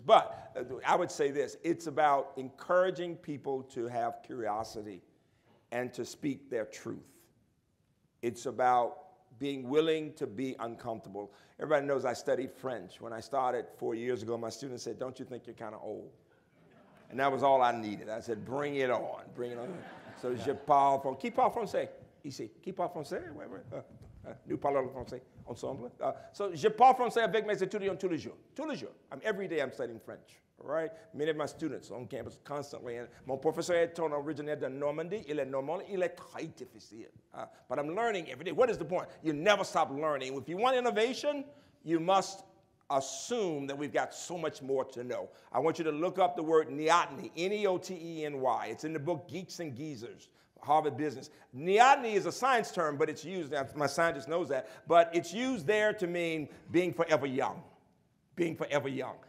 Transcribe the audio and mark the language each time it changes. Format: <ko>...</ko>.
<en>But I would say this. It's about encouraging people to have curiosity and to speak their truth. It's about being willing to be uncomfortable. Everybody knows I studied French. When I started 4 years ago, my students said, "Don't you think you're kind of old?" And that was all I needed. I said, "Bring it on, bring it on." So yeah.</en> <fr>Je parle français. Qui parle français? Ici. Qui parle français? Nous parlons français ensemble. So je parle français avec mes étudiants tous les jours. Tous les jours.</fr> <en>Every day I'm studying French. Right? Many of my students on campus constantly.</en> <fr>And mon professeur est originaire de Normandie. Il est normand. Il est très difficile.</fr> <en>But I'm learning every day. What is the point? You never stop learning. If you want innovation, you must assume that we've got so much more to know. I want you to look up the word neoteny, N-E-O-T-E-N-Y. It's in the book Geeks and Geezers, Harvard Business. Neoteny is a science term, but it's used, my scientist knows that, but it's used there to mean being forever young, being forever young.</en>